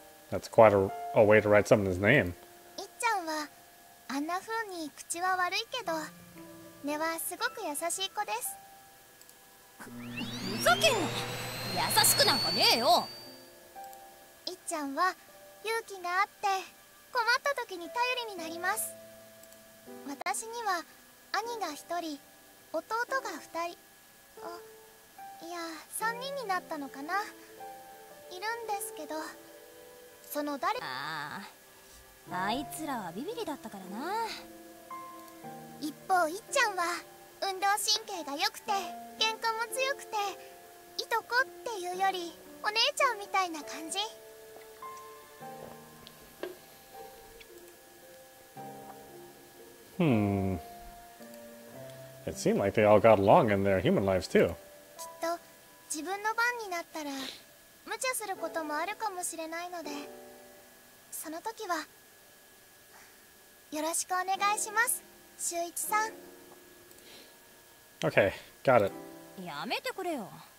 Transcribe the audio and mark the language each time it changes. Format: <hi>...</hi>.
<en>That's quite a way to write someone's name.</en> <ja>いっちゃんはあんな風に口は悪いけど根はすごく優しい子です。ふざけんな。優しくなんかねえよ。いっちゃんは勇気があって困った時に頼りになります。私には兄が一人、弟が二人、いや三人になったのかな、いるんですけど、その誰。ああいつらはビビリだったからな。一方いっちゃんは運動神経が良くて喧嘩も強くて、いとこっていうよりお姉ちゃんみたいな感じ。</ja> <en>It seemed like they all got along in their human lives too.</en> <ja>きっと自分の番になったら無茶することもあるかもしれないので、その時はよろしくお願いします、秀一さん。</ja> <en>Okay, got it.</en> <ja>やめてくれよ。</ja>